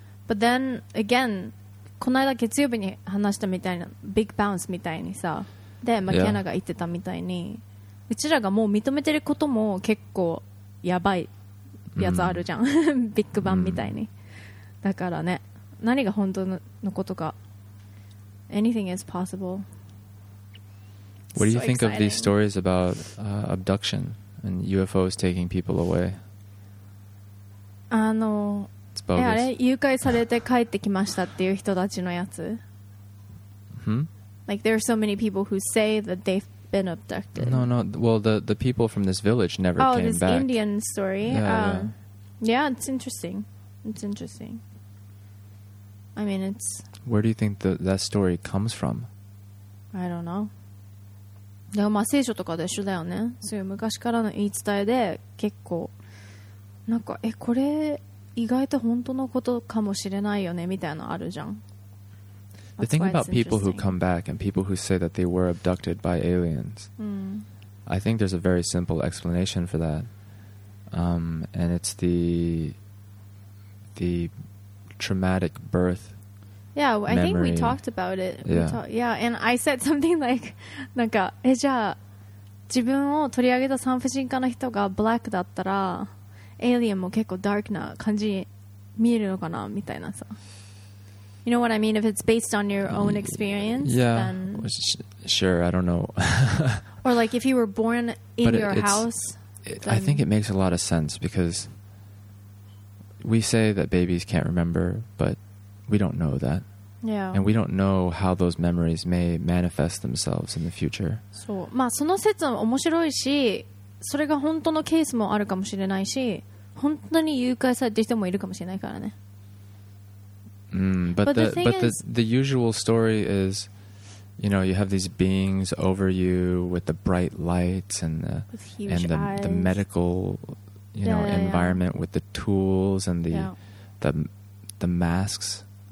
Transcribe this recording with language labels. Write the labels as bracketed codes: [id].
[en] But then again, [ja] この間月曜日に話したみたいな Big Bounce みたいにさ、でマキアナが言ってたみたいに、うちらがもう認めてることも結構やばいやつあるじゃん、ビッグバンみたいに。だからね、何が本当のことか、 [en] Anything is possible. What do you think of these stories about abduction and UFOs taking people away? It's bogus. [ja] え、誘拐されて帰ってきましたっていう人たちのやつ。 Hmm? [en] Like there are so many people who say that they've been abducted. No. Well, the people from this village never came back. Oh, this Indian story. Yeah, it's interesting. It's interesting. I mean, it's... Where do you think that story comes from? I don't know. [ja] でもまあ聖書とかで一緒だよね。そういう昔からの言い伝えで結構なんかこれ意外と本当のことかもしれないよねみたいなのあるじゃん。 [en] The thing about people who come back and people who say that they were abducted by aliens,、I think there's a very simple explanation for that,、and it's the traumatic birth. Yeah, I、 memory. Think we talked about it. Yeah, and I said something like, [ja] なんか、え、じゃあ、自分を取り上げた産婦人科の人がブラックだったら、エイリアンも結構ダークな感じに見えるのかなみたいなさ。 [en] You know what I mean? If it's based on your own experience, yeah, sure, I don't know. Or like if you were born in your house. I think it makes a lot of sense because we say that babies can't remember, but... We don't know that. Yeah. And we don't know how those memories may manifest themselves in the future. [ja] そう。まあその説は面白いし、それが本当のケースもあるかもしれないし、本当に誘拐されてる人もいるかもしれないからね。 [en] But the usual story is, you know, you have these beings over you with the bright lights and the medical, you know, environment with the tools and the masks.